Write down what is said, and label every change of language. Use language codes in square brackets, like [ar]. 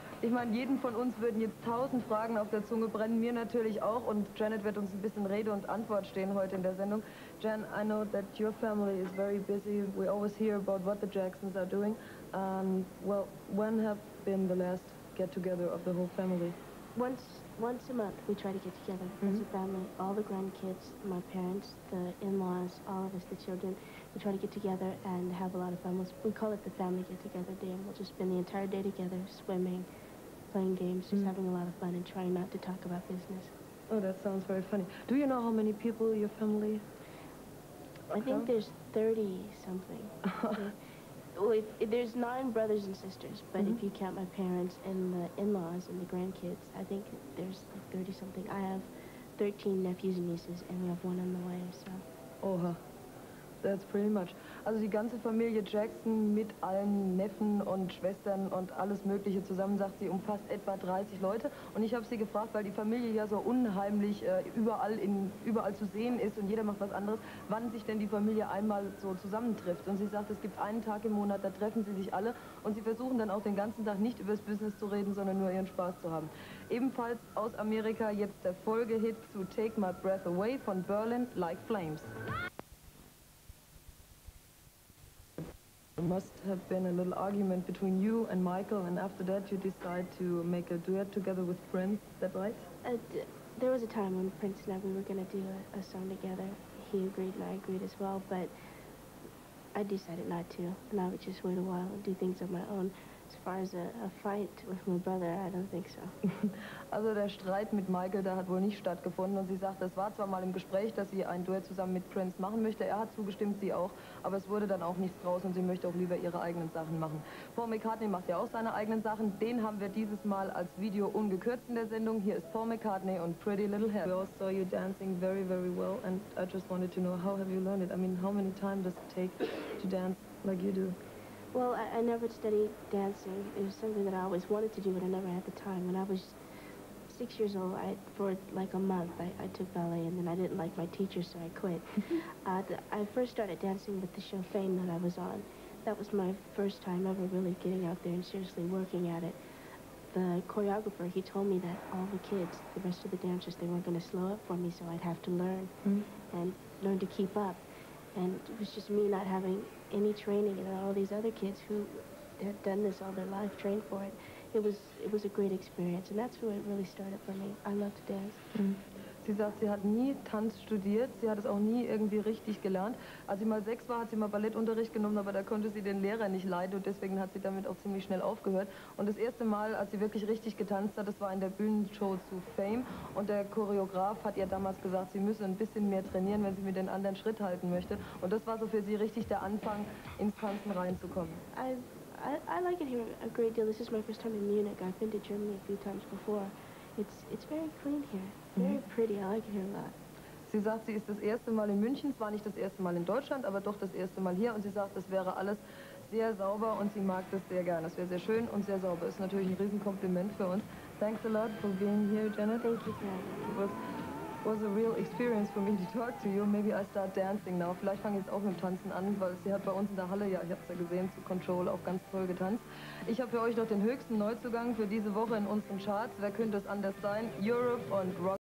[de] Ich meine, jeden von uns würden jetzt 1000 Fragen auf der Zunge brennen, mir natürlich auch. Und Janet wird uns ein bisschen Rede und Antwort stehen heute in der Sendung. [en] Jan, I know that your family is very busy. We always hear about what the Jacksons are doing. Well, when have been the last get-together of the whole family? Once a month, we try to get together as a family, all the grandkids, my parents, the in-laws, all of us, the children. We try to get together and have a lot of fun. We call it the family get-together day, and we'll just spend the entire day together, swimming, playing games, just having a lot of fun and trying not to talk about business. Oh, that sounds very funny. Do you know how many people your family? I think there's 30-something. There's 9 brothers and sisters, but if you count my parents and the in-laws and the grandkids, I think there's 30-something. I have 13 nephews and nieces, and we have 1 on the way, so. Oha, that's pretty much. [de] Also die ganze Familie Jackson mit allen Neffen und Schwestern und alles Mögliche zusammen, sagt sie, umfasst etwa 30 Leute. Und ich habe sie gefragt, weil die Familie ja so unheimlich überall zu sehen ist und jeder macht was anderes, wann sich denn die Familie einmal so zusammentrifft. Und sie sagt, es gibt einen Tag im Monat, da treffen sie sich alle und sie versuchen dann auch den ganzen Tag nicht über das Business zu reden, sondern nur ihren Spaß zu haben. Ebenfalls aus Amerika jetzt der Folgehit zu Take My Breath Away von Berlin, Like Flames. [en] There must have been a little argument between you and Michael, and after that you decide to make a duet together with Prince, is that right? There was a time when Prince and I, we were going to do a song together. He agreed and I agreed as well, but I decided not to, and I would just wait a while and do things on my own. As far as a fight with my brother, I don't think so. [de] Also der Streit mit Michael, da hat wohl nicht stattgefunden, und sie sagt, das war zwar mal im Gespräch, dass sie ein Duett zusammen mit Prince machen möchte, er hat zugestimmt, sie auch, aber es wurde dann auch nichts draus und sie möchte auch lieber ihre eigenen Sachen machen. Paul McCartney macht ja auch seine eigenen Sachen, den haben wir dieses Mal als Video ungekürzt in der Sendung. Hier ist Paul McCartney und Pretty Little Head. [en] We all saw you dancing very, very well, and I just wanted to know, how have you learned it? I mean, how many times does it take to dance like you do? Well, I never studied dancing. It was something that I always wanted to do, but I never had the time. When I was 6 years old, for like a month, I took ballet, and then I didn't like my teacher, so I quit. I first started dancing with the show Fame that I was on. That was my first time ever really getting out there and seriously working at it. The choreographer, he told me that all the kids, the rest of the dancers, they weren't going to slow up for me, so I'd have to learn and learn to keep up. And it was just me not having any training, and all these other kids who had done this all their life, trained for it. It was a great experience, and that's where it really started for me. I love to dance. [de] Sie sagt, sie hat nie Tanz studiert, sie hat es auch nie irgendwie richtig gelernt. Als sie mal 6 war, hat sie mal Ballettunterricht genommen, aber da konnte sie den Lehrer nicht leiden und deswegen hat sie damit auch ziemlich schnell aufgehört. Und das erste Mal, als sie wirklich richtig getanzt hat, das war in der Bühnenshow zu Fame. Und der Choreograf hat ihr damals gesagt, sie müsse ein bisschen mehr trainieren, wenn sie mit den anderen Schritt halten möchte. Und das war so für sie richtig der Anfang, ins Tanzen reinzukommen. [en] I like it here a great deal. This is my first time in Munich. I've been to Germany a few times before. It's very clean here. Very pretty. I like it here a lot. [de] Sie sagt, sie ist das erste Mal in München. Es war nicht das erste Mal in Deutschland, aber doch das erste Mal hier. Und sie sagt, das wäre alles sehr sauber und sie mag das sehr gerne. Es wäre sehr schön und sehr sauber. Ist natürlich ein Riesenkompliment für uns. [en] Thanks a lot for being here, Janet. Thank you, Janet. Was a real experience for me to talk to you. Maybe I start dancing now. [de] Vielleicht fange ich jetzt auch mit dem Tanzen an, weil sie hat bei uns in der Halle, ja, ich habe es ja gesehen, zu Control auch ganz toll getanzt. Ich habe für euch noch den höchsten Neuzugang für diese Woche in unseren Charts. Wer könnte es anders sein? Europe und Rock.